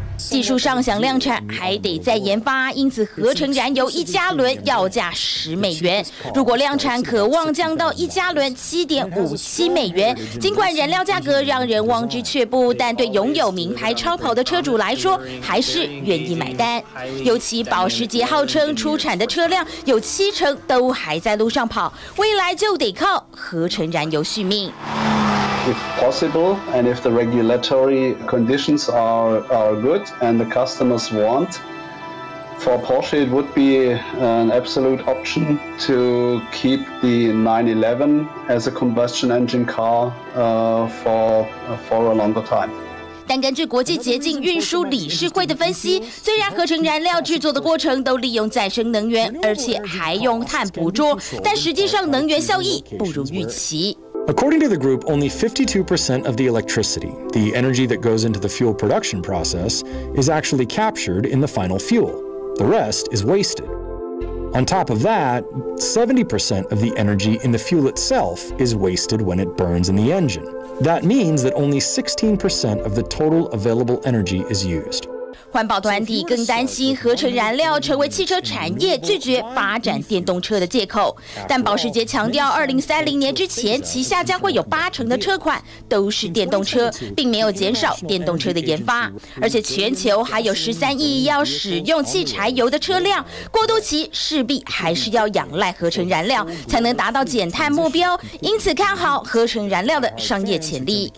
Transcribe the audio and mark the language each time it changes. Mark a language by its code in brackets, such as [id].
[zh] 技术上想量产还得再研发，因此合成燃油一加仑要价10美元，如果量产渴望降到一加仑7.57美元。尽管燃料价格让人望之却步，但对拥有名牌超跑的车主来说还是愿意买单，尤其保时捷号称出产的车辆有70%都还在路上跑，未来就得靠合成燃油续命。 [en] If possible, and if the regulatory conditions are good and the customers want, for Porsche it would be an absolute option to keep the 911 as a combustion engine car for a longer time. [zh] 但根据国际洁净运输理事会的分析，虽然合成燃料制作的过程都利用再生能源，而且还用碳捕捉，但实际上能源效益不如预期。 [en] According to the group, only 52% of the electricity, the energy that goes into the fuel production process, is actually captured in the final fuel. The rest is wasted. On top of that, 70% of the energy in the fuel itself is wasted when it burns in the engine. That means that only 16% of the total available energy is used. [zh] 环保团体更担心合成燃料成为汽车产业拒绝发展电动车的借口，但保时捷强调2030年之前旗下将会有80%的车款都是电动车，并没有减少电动车的研发，而且全球还有13亿要使用汽柴油的车辆，过渡期势必还是要仰赖合成燃料才能达到减碳目标，因此看好合成燃料的商业潜力。